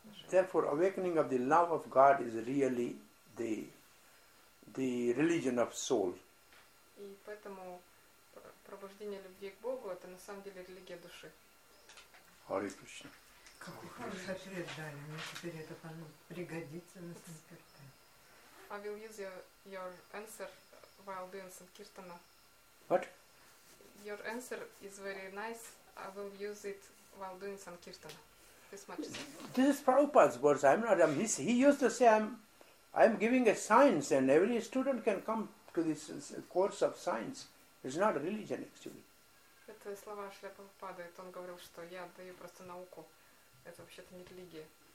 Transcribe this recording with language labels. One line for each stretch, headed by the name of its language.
English: Therefore, awakening of the love of God is really the religion of soul.
Russian: И поэтому пробуждение любви к Богу — это на самом деле религия души.
Sanskrit: Hare Krishna.
Russian: Какой хороший ответ дали. Мне теперь это пригодится на санкиртане.
English: I will use your answer while doing sankirtana. What? Your answer is very nice. I will use it while doing sankirtana. This is Prabhupada's words. He used to say, I'm giving a science, and every student can come to this course of science. It's not a religion, actually.
Russian: Это слова Шри Прабхупады. Это он говорил, что я даю просто науку. Это вообще-то не религия.